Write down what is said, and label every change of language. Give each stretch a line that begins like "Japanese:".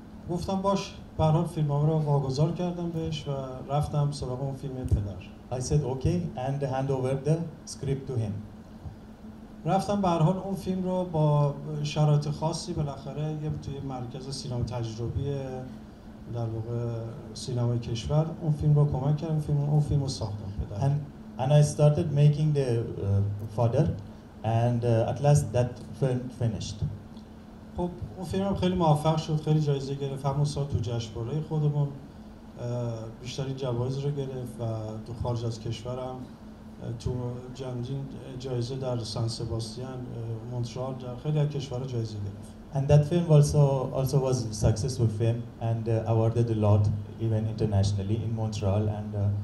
Persian: گفتم باش به هر حال فیلمام رو واگذار کردم بهش و رفتم سراغ اون فیلم پدر
English: I said okay and hand over the script to him
Persian: رفتم به هر حال اون فیلم رو با شرایط خاصی بالاخره یه توی مرکز سینما تجربی در واقع سینمای کشور اون فیلم رو کمک کردم اون فیلم رو ساختم پدر
English: and I started making the father and at last that film finished
Persian: خب اون فیلمم خیلی موفق شد خیلی جایزه گرفت همون سال تو جشنواره خودمون بیشترین جوایز رو گرفت و تو خارج از کشورم تو جنجین جایزه در سان سباستیان مونترال در خیلی از کشورها جایزه گرفت
English: and that film also was successful film and awarded a lot even internationally in Montreal and